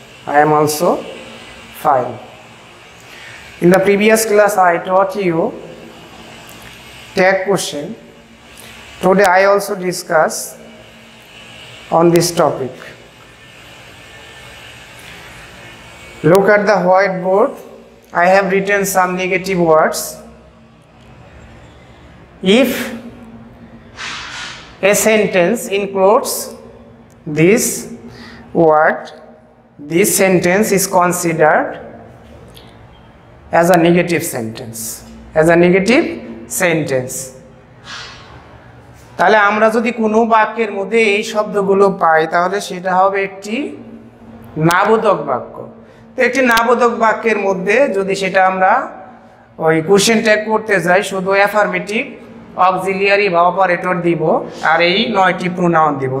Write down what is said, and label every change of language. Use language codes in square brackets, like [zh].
[en] I am also fine. In the previous class I taught you tag question, today I also discuss on this topic. Look at the whiteboard. I have written some negative words. If a sentence includes this word, this sentence is considered as a negative sentence. As a negative sentence. [bn] তাহলে আমরা যদি কোনো বাক্যের মধ্যে এই শব্দগুলো পাই তাহলে সেটা হবে একটি নাবোধক বাক্য। একটি নাবোধক বাক্যের মধ্যে যদি সেটা আমরা ওই কোশ্চেন ট্যাগ করতে যাই, শুধু অ্যাফার্মেটিভ, অক্সিলিয়ারি বা অপারেটর দিব আর এই নয়টি প্রোনাউন দিব।